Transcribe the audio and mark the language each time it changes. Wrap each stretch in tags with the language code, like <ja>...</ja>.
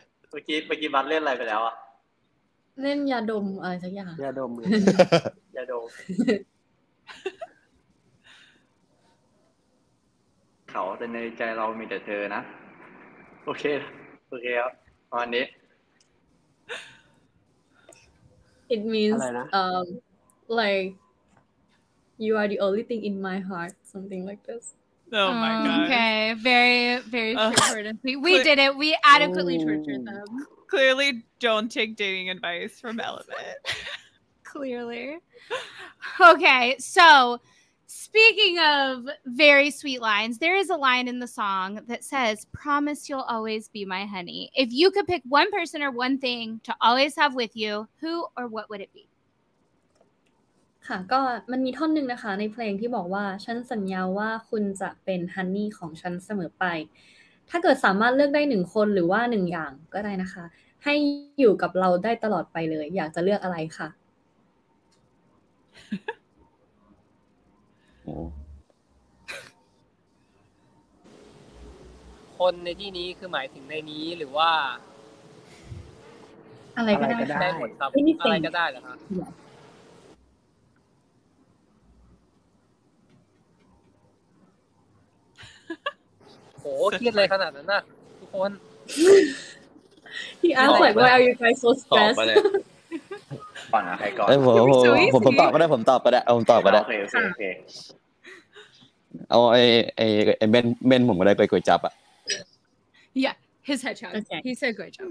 <th>เมื่อกี้บัตเล่นอะไรไปแล้วอ่ะ เล่นยาดมอะไรสักอย่าง ยาดม ยาดมเขาแต่ในใจเรามีแต่เธอนะโอเคครับวันนี้</th> <en>it means like you are the only thing in my heart something like this Oh my god. Okay, very, very straightforward. We did it. We adequately tortured them. Clearly don't take dating advice from Element. Clearly. Okay, so speaking of very sweet lines, there is a line in the song that says, promise you'll always be my honey. If you could pick one person or one thing to always have with you, who or what would it be?</en> <th>ค่ะก็มันมีท่อนนึงนะคะในเพลงที่บอกว่าฉันสัญญาว่าคุณจะเป็นฮันนี่ของฉันเสมอไปถ้าเกิดสามารถเลือกได้1คนหรือว่า1อย่างก็ได้นะคะให้อยู่กับเราได้ตลอดไปเลยอยากจะเลือกอะไรค่ะ คนในที่นี้คือหมายถึงในนี้หรือว่า อะไรก็ได้ ได้หมดครับอะไรก็ได้เหรอคะโ หเครีย ดเลยขนาดนั้ นน่ะทุ กคน ที่อ้าวไหวว่า</th> <en>are you guys so stressed</en> <th>ปั่นอ่ะใครก่อน เอ้ยผมตอบก็ได้ผมตอบก็ได้ผมตอบก็ได้โอเค เอาไอ้เมนผมก็ได้ก๋วยจับอ่ะ</th> <en>yeah his hedgehog he said ก๋วยจับ</en>